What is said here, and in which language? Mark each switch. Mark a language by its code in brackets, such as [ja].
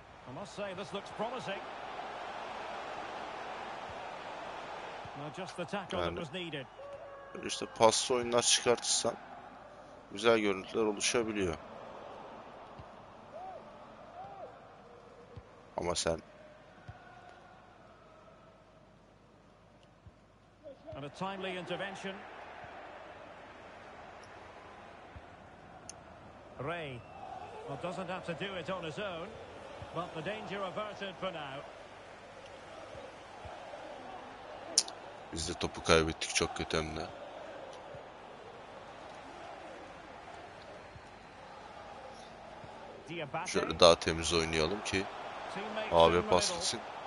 [en] I must say this looks promising. Now just the tackle that was needed. [tr] İşte paslı oyunlar çıkartırsan güzel görüntüler oluşabiliyor. Ama sen. [en] And a timely intervention. Ray. Well, doesn't have to do it on his own, but the danger averted for now. [tr] Biz de topu kaybettik çok kötü hem de. Şöyle daha temiz oynayalım ki AB paslasın.